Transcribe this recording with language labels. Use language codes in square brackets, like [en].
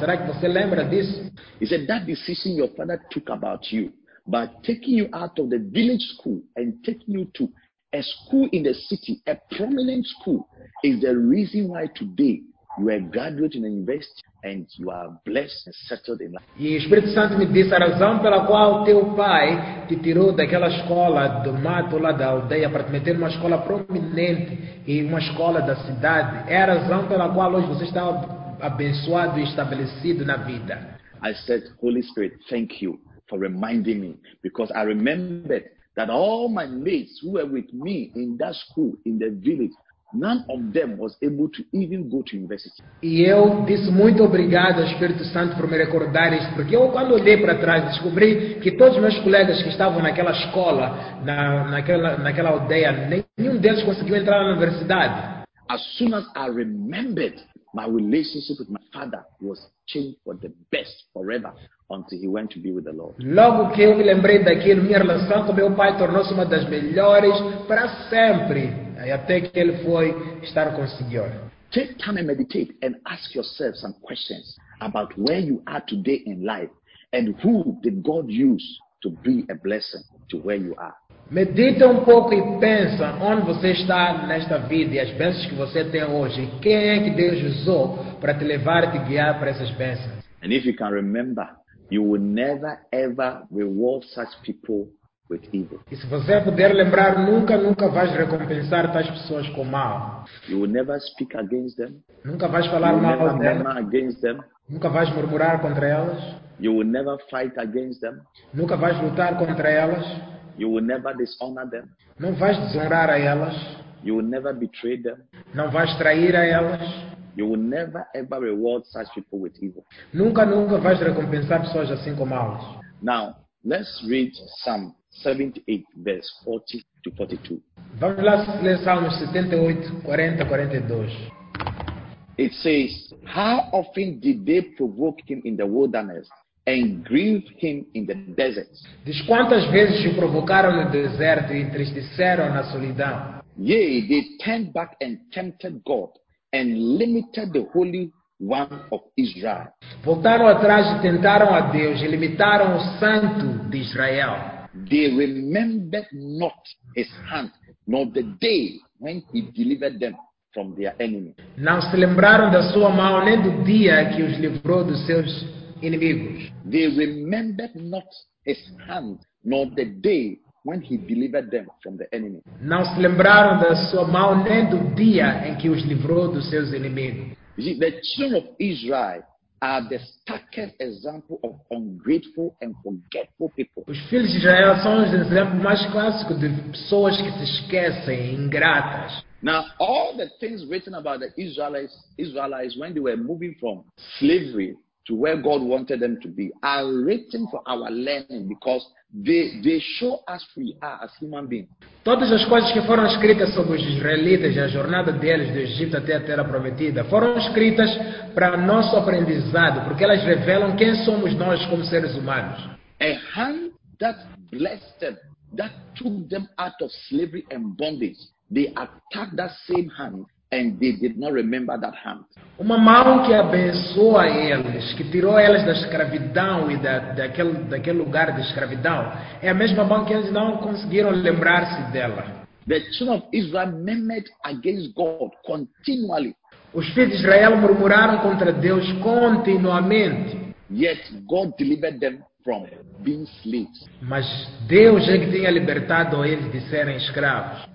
[pt] Será que você lembra disso? [en] He said, that decision your father took about you, by taking you out of the village school and taking you to a school in the city, a prominent school, is the reason why today you are graduating in a university and you are blessed and settled in life. [pt] E o Espírito Santo me disse a razão pela qual teu pai te tirou daquela escola do mato lá da aldeia para te meter numa escola prominente e uma escola da cidade. É a razão pela qual hoje você está abençoado e estabelecido na vida. [en] I said, Holy Spirit, thank you for reminding me, because I remembered that all my mates who were with me in that school, in the village, none of them was able to even go to university. [pt] E eu disse muito obrigado ao Espírito Santo por me recordar isso, porque eu quando olhei para trás descobri que todos os meus colegas que estavam naquela escola, naquela aldeia, nenhum deles conseguiu entrar na universidade. [en] As soon as I remembered, my relationship with my father was changed for the best forever until he went to be with the Lord. [pt] Logo que eu me lembrei daquilo, minha relação com meu pai tornou-se uma das melhores para sempre, até que ele foi estar com o Senhor. [en] Take time and meditate and ask yourself some questions about where you are today in life and who did God use to be a blessing to where you are. [pt] Medita um pouco e pensa onde você está nesta vida e as bênçãos que você tem hoje. Quem é que Deus usou para te levar e te guiar para essas bênçãos? [en] And if you can remember, you will never ever reward such people with evil. [pt] E se você puder lembrar, nunca vais recompensar tais pessoas com mal. [en] You will never speak against them. [pt] Nunca vais falar mal delas. [en] You will never murmur against them. [pt] Nunca vais murmurar contra elas. [en] You will never fight against them. [pt] Nunca vais lutar contra elas. [en] You will never dishonor them. [pt] Não vais desonrar a elas. [en] You will never betray them. [pt] Não vais trair a elas. [en] You will never ever reward such people with evil. [pt] Nunca vais recompensar pessoas assim com maus. [en] Now, let's read Psalm 78, verse 40 to 42. [pt] Vamos lá ler Salmos 78:40-42. [en] It says, how often did they provoke him in the wilderness and grieve him in the desert? [pt] Diz quantas vezes o provocaram no deserto e entristeceram na solidão. [en] Yea, they turned back and tempted God and limited the Holy One of Israel. [pt] Voltaram atrás e tentaram a Deus e limitaram o Santo de Israel. [en] They remembered not his hand, nor the day when he delivered them from their enemy. [pt] Não se lembraram da sua mão, nem do dia que os livrou dos seus inimigos. [en] They remembered not his hand, nor the day when he delivered them from the enemy. [pt] Não se lembraram da sua mão, nem do dia em que os livrou dos seus inimigos. [en] You see, the children of Israel are the starkest example of ungrateful and forgetful people. [pt] Os filhos de Israel são os exemplos mais clássicos de pessoas que se esquecem, ingratas. [en] Now, all the things written about the Israelites when they were moving from slavery to where God wanted them to be are written for our learning because they show us we are as human beings. [pt] Todas as coisas que foram escritas sobre os israelitas e a jornada deles do Egito até a Terra Prometida foram escritas para nosso aprendizado, porque elas revelam quem somos nós como seres humanos. [en] A hand that blessed them, that took them out of slavery and bondage, they attacked that same hand and they did not remember that hand. [pt] Uma mão que abençoa eles, que tirou elas da escravidão e daquele lugar de escravidão, é a mesma mão que eles não conseguiram lembrar-se dela. [en] The children of Israel murmured against God continually. [pt] Os filhos de Israel murmuraram contra Deus continuamente. [en] Yet God delivered them from being slaves. [pt] Mas Deus é que tinha libertado eles de serem escravos.